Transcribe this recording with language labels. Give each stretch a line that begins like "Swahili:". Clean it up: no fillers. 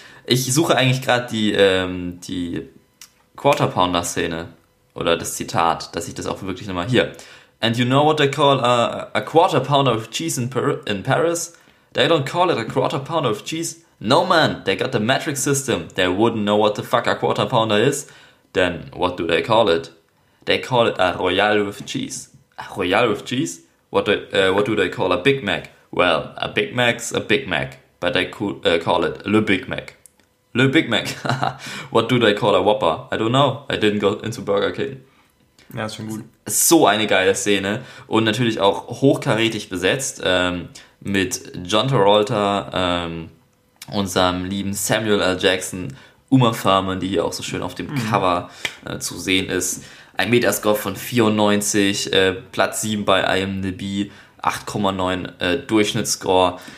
German: Ich suche eigentlich gerade die Quarter Pounder-Szene oder das Zitat, dass ich das auch wirklich nochmal hier.
English: And you know what they call a quarter pounder of cheese in Paris? They don't call it a quarter pounder of cheese. No man, they got the metric system. They wouldn't know what the fuck a quarter pounder is. Then what do they call it? They call it a royale with cheese. A royale with cheese? What do they call a Big Mac? Well, a Big Mac's a Big Mac. But they call it Le Big Mac. Le Big Mac. What do they call a Whopper? I don't know. I didn't go into Burger King.
German: Ja, ist schon gut. So eine geile Szene. Und natürlich auch hochkarätig besetzt. Mit John Travolta, unserem lieben Samuel L. Jackson, Uma Thurman, die hier auch so schön auf dem Cover zu sehen ist. Ein Metascore von 94, Platz 7 bei IMDb, 8,9 Durchschnittsscore.